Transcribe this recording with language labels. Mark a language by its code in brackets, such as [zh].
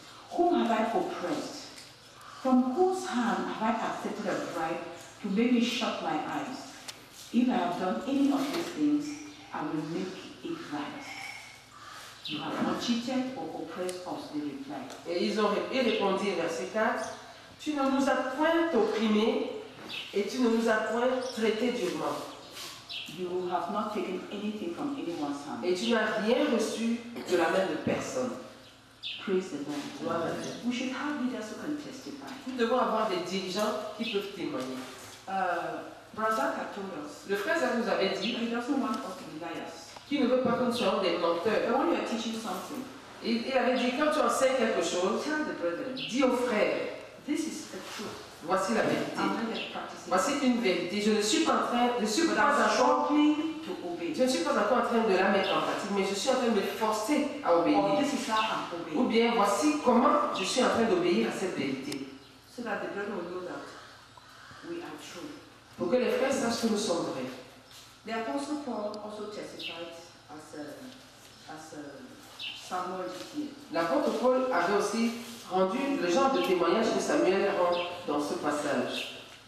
[en] Whom have I oppressed? From whose hand have I accepted a bribe to make me shut my eyes? If I have done any of these things, I will make it right. You have not cheated or oppressed us, they replied. [fr] Et ils ont répondu, verset 4, tu ne nous as point opprimés et tu ne nous as point traités durement. [en] You have not taken anything from anyone's hand. [fr] Et tu n'as rien reçu de la main de personne. [en] Praise the Lord. [fr] Voilà. [en] We should have leaders who can testify. [fr] Nous devons avoir des dirigeants qui peuvent témoigner. Le frère Zach nous avait dit [en] he doesn't want us to be liars. [fr] Qu'il ne veut pas qu'on soit des menteurs. [en] But when you are teaching something, [fr] il avait dit quand tu enseignes quelque chose, [en] tell the brethren, [fr] dis aux frères, [en] this is the truth. [fr] Voici la vérité. Voici une vérité. Je ne suis pas en train, je ne suis pas encore en train de la mettre en pratique, mais je suis en train de me forcer à obéir. [en] Or, this is how I'm obeying. [fr] Ou bien voici comment je suis en train d'obéir à cette vérité. [en] So that the brethren will know that we are true. [fr] Pour que les frères sachent que nous sommes vrais. [en] The apostle Paul also testified as Samuel did. [fr] L'apôtre Paul avait aussi rendu le genre de témoignage que Samuel rend dans ce passage.